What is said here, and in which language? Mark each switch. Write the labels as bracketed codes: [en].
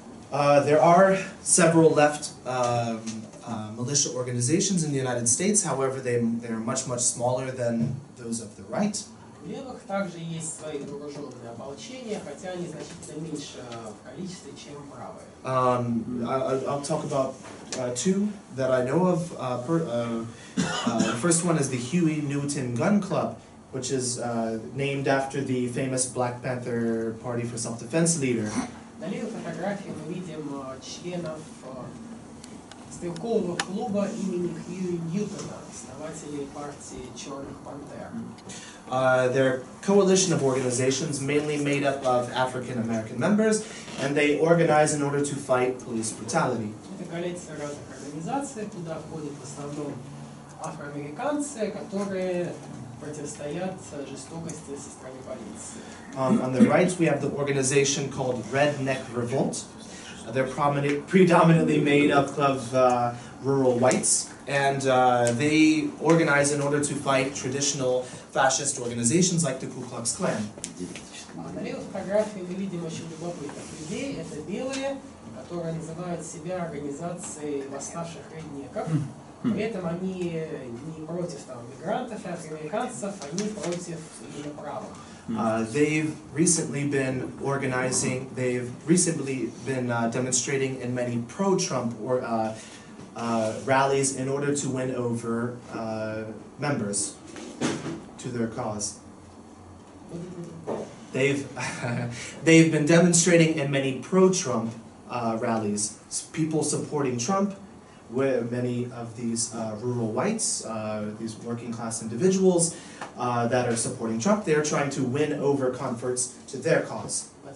[en] There are several left militia organizations in the United States. However, they are much, much smaller than those of the right. [ru] Левых также есть свои вооруженные ополчения, хотя они значительно меньше в количестве, чем правые. [en] I'll talk about two that I know of. The first one is the Huey Newton Gun Club, which is named after the famous Black Panther Party for Self-Defense leader. [ru] На левой фотографии мы видим членов стрелкового клуба имени Хьюи Ньютона, основателей партии Черных Пантер. [en] They're a coalition of organizations mainly made up of African American members, and they organize in order to fight police brutality. [ru] Это коллекция разных организаций, куда входят в основном афроамериканцы, которые противостоят жестокости со стороны полиции. [en] On the right, we have the organization called Redneck Revolt. They're predominantly made up of rural whites, and they organize in order to fight traditional fascist organizations like the Ku Klux Klan. [ru] На левой фотографии мы видим очень любопытных людей. Это белые, которые называют себя организацией восставших реднеков. При этом они не против там мигрантов и афроамериканцев, они против именно правых. [en] They've recently been demonstrating in many pro-Trump or rallies in order to win over members to their cause. They've been demonstrating in many pro-Trump rallies, people supporting Trump, where many of these rural whites, these working class individuals that are supporting Trump, they're trying to win over converts to their cause.